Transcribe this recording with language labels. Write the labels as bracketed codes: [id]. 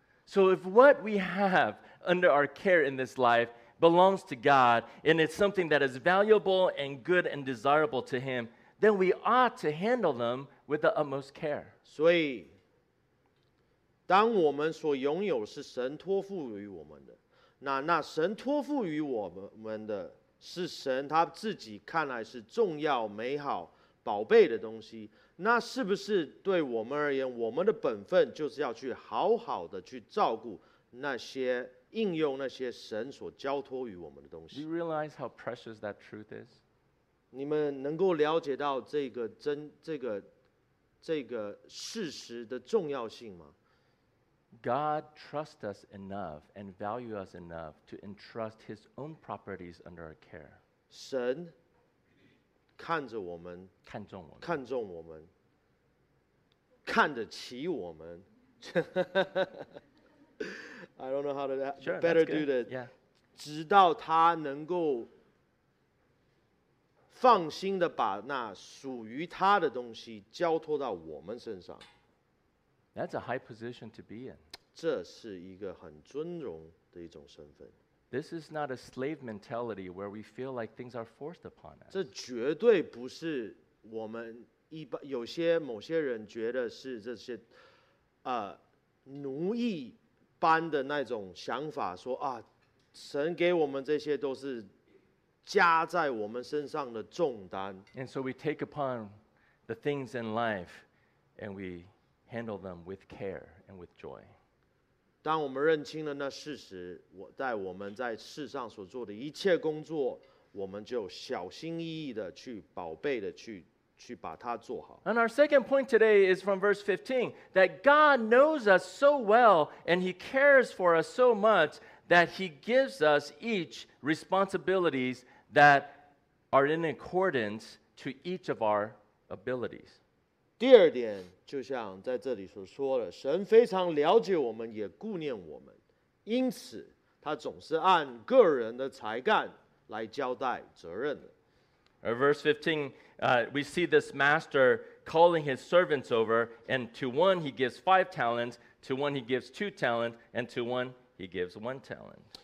[en] So if what we have under our care in this life belongs to God and it's something that is valuable and good and desirable to him, then we ought to handle them with the utmost care. [zh] 所以当我们所拥有是神托付于我们的那神托付于我们的是神他自己看来是重要美好宝贝的东西那是不是对我们而言我们的本分就是要去好好的去照顾那些应用那些神所交托于我们的东西 [en] Do you realize how precious that truth is? [zh] 你们能够了解到这个事实的重要性吗 [en] God trusts us enough and values us enough to entrust his own properties under our care. [zh] 神看着我们看重我们看得起我们 [en] I don't know how to sure, better do that. Yeah. [zh] 直到他能够放心的把那属于他的东西交托到我们身上 [en] That's a high position to be in. [zh] 这是一个很尊荣的一种身份。 [en] This is not a slave mentality where we feel like things are forced upon us. [zh] 这绝对不是我们一般有些某些人觉得是这些奴役般的那种想法说啊神给我们这些都是加在我们身上的重担。 [en] And so we take upon the things in life and we handle them with care and with joy. [zh] 当我们认清了那事实，我们在世上所做的一切工作，我们就小心翼翼的去宝贝的去把它做好。 [en] And our second point today is from verse 15, that God knows us so well and He cares for us so much that He gives us each responsibilities that are in accordance to each of our abilities. [zh] 第二点就像在这里所说的神非常了解我们也顾念我们因此他总是按个人的才干来交代责任的 [en] Verse 15 we see this master calling his servants over and to one he gives 5 talents to one he gives 2 talents and to one he gives 1 talent